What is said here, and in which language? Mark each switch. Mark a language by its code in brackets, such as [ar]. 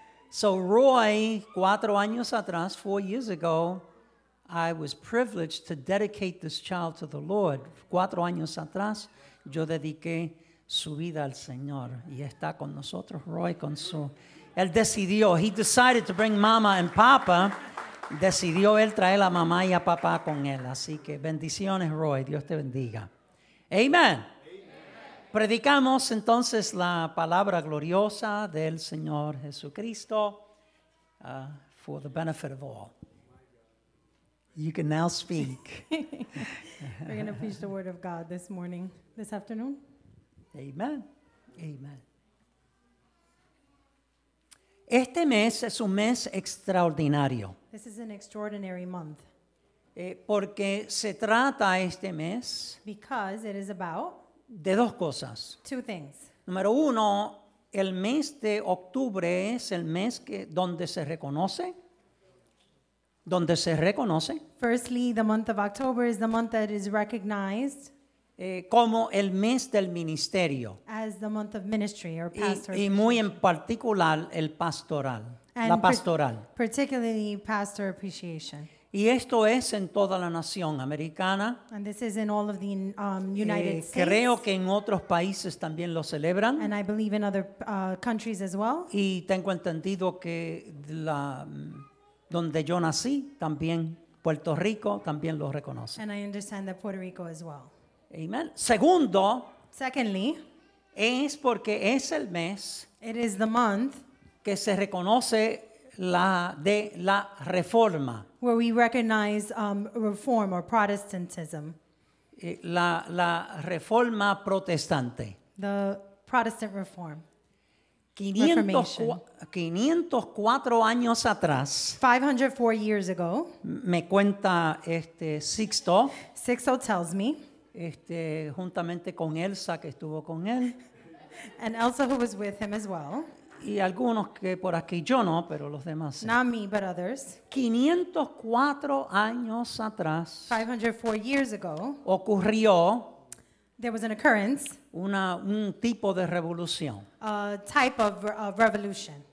[en] So Roy, [es] 4 años atrás, [en] 4 years ago, I was privileged to dedicate this child to the Lord. [es] 4 años atrás, yo dediqué su vida al Señor. Y está con nosotros, Roy, con su... Él decidió, [en] he decided to bring mama and papa. [es] Decidió él traer a mamá y a papá con él. Así que bendiciones, Roy. Dios te bendiga. Amen. Amen. Predicamos entonces la palabra gloriosa del Señor Jesucristo [en] for the benefit of all. You can now speak. We're going to preach the word of God this morning, this afternoon. Amen. Amen. [es] Este mes es un mes extraordinario. [en] This is an extraordinary month. [es] Porque se trata este mes. [en] Because it is about. [es] De dos cosas. [en] Two things. [es] Número uno, el mes de octubre es el mes que donde se reconoce. [en] Firstly, the month of October is the month that is recognized. [es] Como el mes del ministerio. [en] As the month of ministry or pastor. [es] Y muy en particular el pastoral. And la pastoral. [en] Particularly pastor appreciation. [es] Y esto es en toda la nación americana. [en] And this is in all of the United States. [es] Creo que en otros países también lo celebran. [en] And I believe in other countries as well. [es] Y tengo entendido que la donde yo nací, también Puerto Rico también lo reconoce. [en] And I understand that Puerto Rico as well. [es] Amen. Segundo, [en] secondly, [es] es porque es el mes. [en] It is the month [es] que se reconoce la de la reforma. [en] Where we recognize reform or Protestantism. [es] La reforma protestante. [en] The Protestant reform. [es] 504 años atrás. [en] 504 years ago. [es] Me cuenta Sixto. [en] Sixto tells me. [es] Juntamente con Elsa que estuvo con él. [en] And Elsa who was with him as well. [es] Y algunos que por aquí yo no, pero los demás. [en] Not me, but others. [es] 504 años atrás. [en] 504 years ago. [es] Ocurrió. [en] There was an occurrence. [es] Un tipo de revolución. [en] A type of revolution.